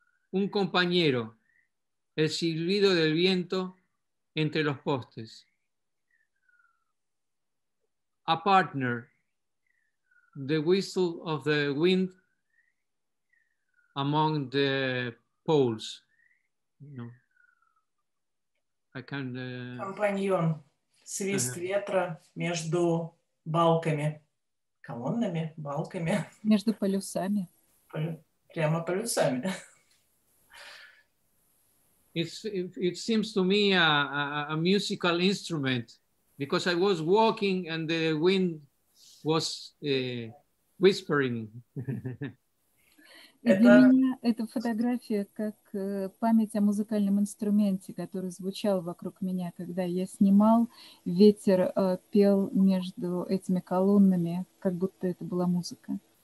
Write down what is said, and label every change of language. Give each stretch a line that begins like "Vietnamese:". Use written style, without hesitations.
Spanish: Un compañero, el silbido del viento entre los postes.
English: A partner, the whistle of the wind among the poles. No. I can.
Russian: Компаньон, свист ветра между балками, колоннами, балками. Между полюсами. Прямо полюсами.
English: It seems to me a musical instrument, because I was walking and the wind was whispering.
Russian: Это фотография как память о музыкальном инструменте, который звучал вокруг меня, когда я снимал, ветер пел между этими колоннами, как будто это была музыка.